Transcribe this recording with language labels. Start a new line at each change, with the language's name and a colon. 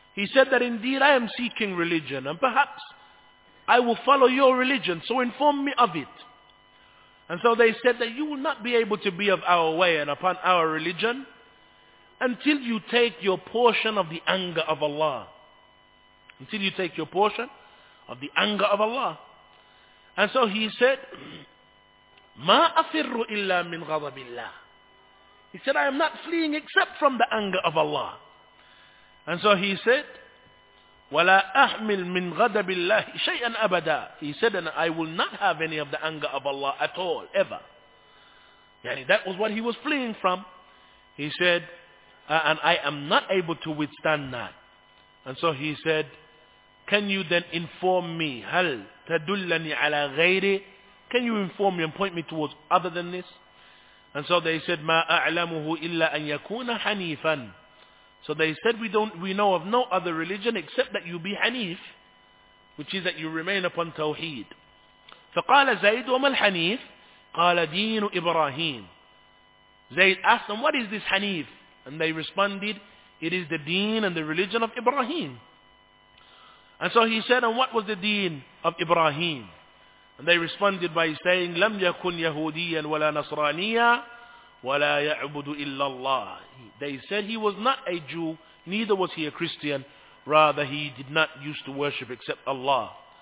English: He said that indeed I am seeking religion, and perhaps I will follow your religion, so inform me of it. And so they said that you will not be able to be of our way and upon our religion until you take your portion of the anger of Allah. Until you take your portion of the anger of Allah.
Arabic: And so he said, مَا أَفِرُّ إِلَّا مِنْ غَضَبِ اللَّهِ.
English: He said, I am not fleeing except from the anger of Allah.
Arabic: And so he said, وَلَا أَحْمِلْ مِنْ غَدَبِ اللَّهِ شَيْئًا أَبَدًا.
English: He said, and I will not have any of the anger of Allah at all, ever. Yani that was what he was fleeing from. He said, and I am not able to withstand that. And so he said, can you then inform me,
Arabic: هَلْ تَدُلَّنِي عَلَى غَيْرِ,
English: can you inform me and point me towards other than this?
Arabic: And so they said, مَا أَعْلَمُهُ إِلَّا أَنْ يَكُونَ حَنِيفًا.
English: So they said, we know of no other religion except that you be Hanif, which is that you remain upon Tawheed.
Arabic: فَقَالَ زَيْدْ وَمَا الْحَنِيفِ قَالَ دِينُ إِبْرَاهِيمِ.
English: Zayd asked them, what is this Hanif? And they responded, it is the deen and the religion of Ibrahim. And so he said, and what was the deen of Ibrahim?
Arabic: And they responded by saying, لَمْ يَكُنْ يَهُودِيًا وَلَا نَصْرَانِيًا وَلَا يَعْبُدُ إِلَّا اللَّهِ.
English: They said he was not a Jew, neither was he a Christian, rather he did not used to worship except Allah.